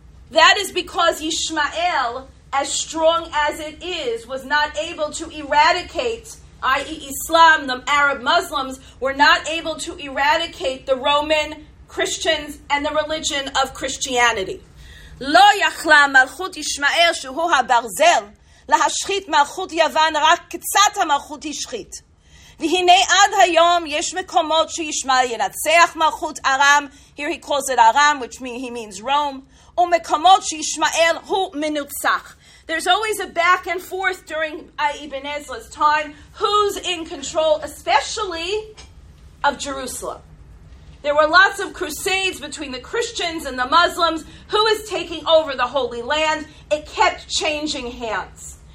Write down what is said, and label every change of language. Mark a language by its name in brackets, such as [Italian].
[English] That is because Ishmael, as strong as it is, was not able to eradicate, i.e. Islam, the Arab Muslims, were not able to eradicate the Roman Christians and the religion of Christianity. [Hebrew] לא יכלה מלכות ישמעאל שהוא הברזל להשחית מלכות יוון רק קצת המלכות ישחית. והנה עד היום יש מקומות שישמעאל ינצח מלכות ארם, [English] here he calls it Aram, which means he means Rome, [Hebrew] ומקומות שישמעאל הוא מנוצח. [English] There's always a back and forth during Ibn Ezra's time, who's in control, especially of Jerusalem. There were lots of crusades between the Christians and the Muslims. Who is taking over the Holy Land? It kept changing hands.